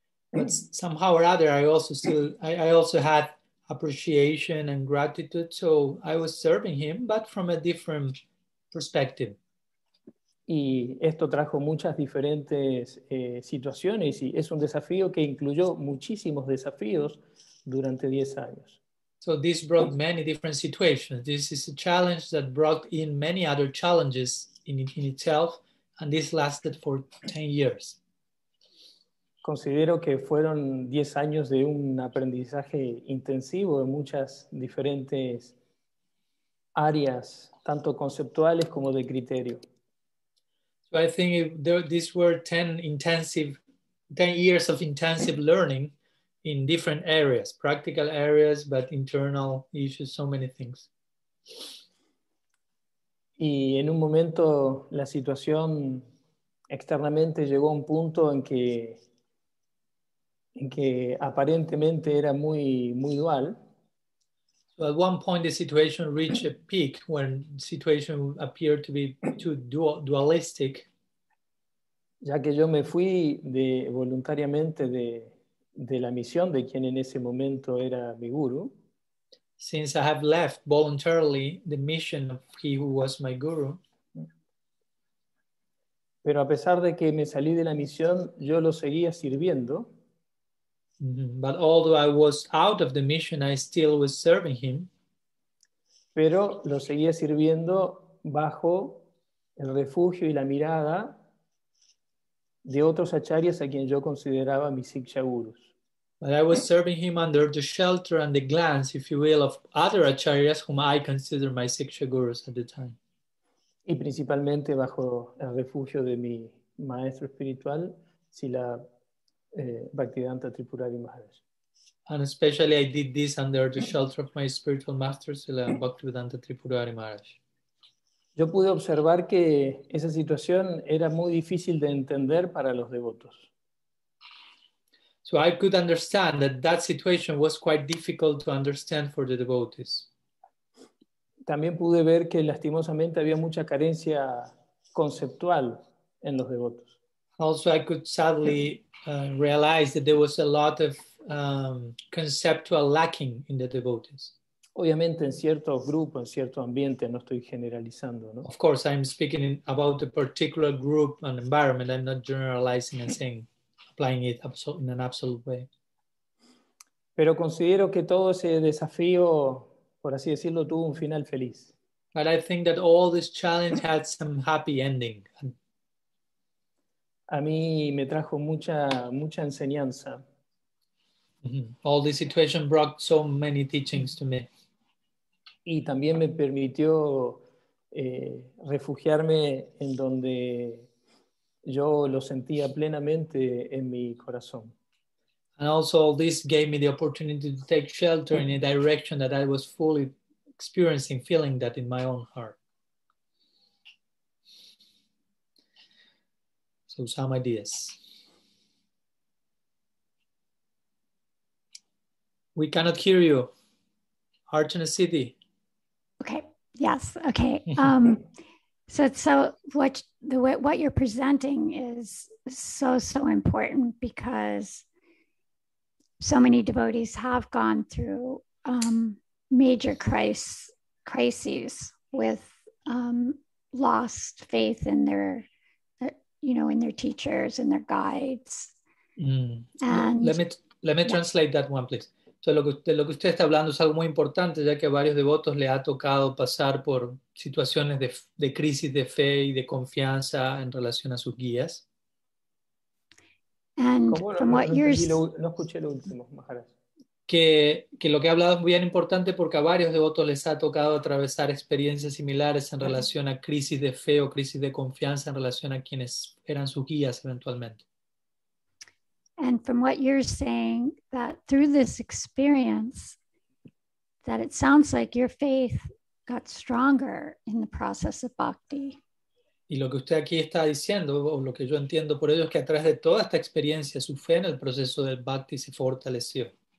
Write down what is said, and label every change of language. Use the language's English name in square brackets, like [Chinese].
[English] But somehow or other, I also had appreciation and gratitude, so I was serving him, but from a different perspective. [Spanish] Y esto trajo muchas diferentes situaciones y es un desafío que incluyó muchísimos desafíos durante 10 años. [English] So this brought many different situations. This is a challenge that brought in many other challenges in itself, and this lasted for 10 years. [Spanish] Considero que fueron 10 años de un aprendizaje intensivo en muchas diferentes áreas, tanto conceptuales como de criterio. [English] So I think these were 10 years of intensive learning in different areas, practical areas, but internal issues, so many things. [Spanish] Y en un momento la situación externamente llegó a un punto en que aparentemente era muy muy dual. [English] So at one point the situation reached a peak when the situation appeared to be too dualistic. [Spanish] Ya que yo me fui voluntariamente de la misión de quien en ese momento era mi guru. [English] Since I have left voluntarily the mission of he who was my guru. [Spanish] Pero a pesar de que me salí de la misión, yo lo seguía sirviendo. Mm-hmm. [English] But although I was out of the mission, I still was serving him. [Spanish] Pero lo seguía sirviendo bajo el refugio y la mirada de otros acharyas a quien yo consideraba mis siksha gurus. [English] But I was serving him under the shelter and the glance, if you will, of other acharyas whom I consider my siksha gurus at the time. [Spanish] Y principalmente bajo el refugio de mi maestro espiritual, Sila Bhaktivedanta Tripurari Maharaj. [English] And especially I did this under the shelter of my spiritual master, Sila Bhaktivedanta Tripurari Maharaj. [Spanish] Yo pude observar que esa situación era muy difícil de entender para los devotos. [English] So I could understand that situation was quite difficult to understand for the devotees. [Spanish] También pude ver que lastimosamente había mucha carencia conceptual en los devotos. [English] Also I could sadly realize that there was a lot of conceptual lacking in the devotees. [Spanish] Obviamente en cierto grupo, en cierto ambiente, no estoy generalizando, ¿no? [English] Of course, I'm speaking about a particular group and environment. I'm not generalizing and saying, applying it in an absolute way. [Spanish] Pero considero que todo ese desafío, por así decirlo, tuvo un final feliz. [English] But I think that all this challenge had some happy ending. [Spanish] A mí me trajo mucha, mucha enseñanza. Mm-hmm. [English] All this situation brought so many teachings to me. [Spanish] Y también me permitió refugiarme en donde yo lo sentía plenamente en mi corazón. [English] And also this gave me the opportunity to take shelter in a direction that I was fully experiencing, feeling that in my own heart. So some ideas. We cannot hear you. Archana Siddhi. Okay. Yes. Okay. What you're presenting is so, so important because so many devotees have gone through major crises with lost faith in their, you know, in their teachers and their guides. Mm. And let me translate that one, please. So [Spanish] De lo que usted está hablando es algo muy importante, ya que a varios devotos le ha tocado pasar por situaciones de crisis de fe y de confianza en relación a sus guías. [English] And from what you're [Spanish] no escuché lo último, Maharaj. Que lo que ha hablado es muy bien importante porque a varios devotos les ha tocado atravesar experiencias similares en relación a crisis de fe o crisis de confianza en relación a quienes eran sus guías eventualmente. [English] And from what you're saying, that through this experience, that it sounds like your faith got stronger in the process of bhakti. [Spanish] Y lo que usted aquí está diciendo, o lo que yo entiendo por ello, es que a través de toda esta experiencia, su fe en el proceso del bhakti se fortaleció.